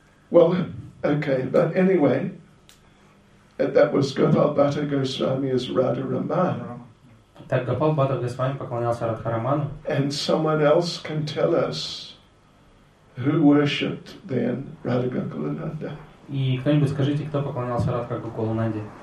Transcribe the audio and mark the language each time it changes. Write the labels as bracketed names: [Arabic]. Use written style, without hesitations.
[English] Well, okay, but anyway, that was Gopal Bhatta Goswami as Radha Raman. [Russian] Так Гопал Бхатта Госвами поклонялся Радха Раману. [English] And someone else can tell us who worshipped then Radha Gokulananda. [Russian] И кто-нибудь скажите, кто поклонялся Радха Гокулананде?